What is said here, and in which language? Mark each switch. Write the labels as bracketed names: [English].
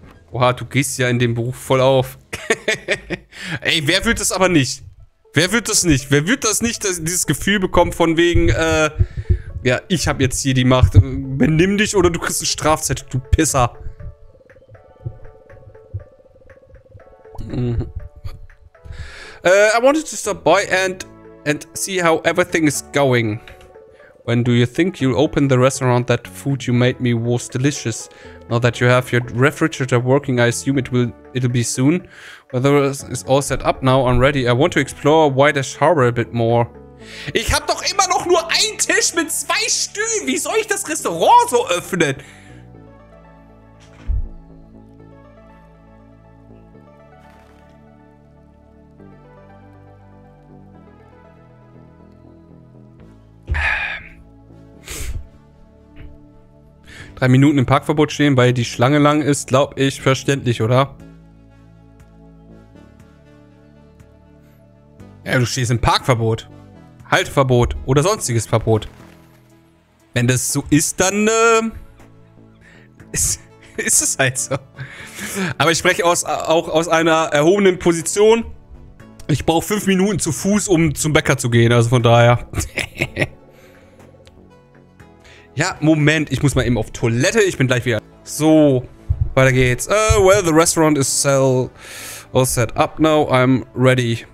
[German] Oha, du gehst ja in dem Beruf voll auf. Ey, wer wird das aber nicht? Wer wird das nicht? Wer wird das nicht, dieses Gefühl bekommen von wegen, ja, ich hab jetzt hier die Macht. Benimm dich oder du kriegst eine Strafzettel, du Pisser. [English] I wanted to stop by and see how everything is going. When do you think you'll open the restaurant? That food you made me was delicious. Now that you have your refrigerator working, I assume it'll be soon. Whether it's all set up now and ready, I want to explore Whitehash Harbor a bit more. [German] Ich hab doch immer noch nur einen Tisch mit zwei Stühlen. Wie soll ich das Restaurant so öffnen? Drei Minuten im Parkverbot stehen, weil die Schlange lang ist, glaube ich, verständlich, oder? Ja, du stehst im Parkverbot. Halteverbot oder sonstiges Verbot. Wenn das so ist, dann ist es halt so. Aber ich spreche auch aus einer erhobenen Position. Ich brauche 5 Minuten zu Fuß, um zum Bäcker zu gehen, also von daher... Ja, Moment, ich muss mal eben auf Toilette, ich bin gleich wieder. So, weiter geht's. [English] Well, the restaurant is all set up now, I'm ready.